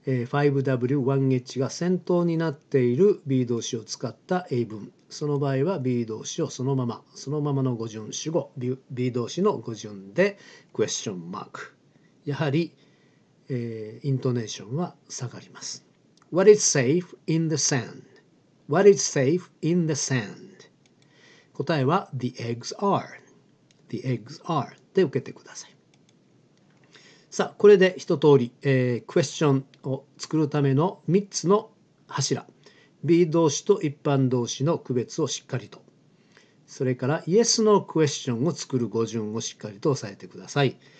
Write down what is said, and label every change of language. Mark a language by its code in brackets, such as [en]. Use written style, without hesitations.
[ja] 5W1H が先頭になっている B 動詞を使った英文、その場合は B 動詞をそのまま、そのままの語順主語、 B 動詞の語順でクエスチョンマーク、やはり、イントネーションは下がります。 [en] What is safe in the sandWhat is safe in the sand? 答えは The eggs are. The eggs are. [ja] で受けてください。さあこれで一通り、クエスチョンを作るための3つの柱、 B 動詞と一般動詞の区別をしっかりと、それから Yes のクエスチョンを作る語順をしっかりと押さえてください。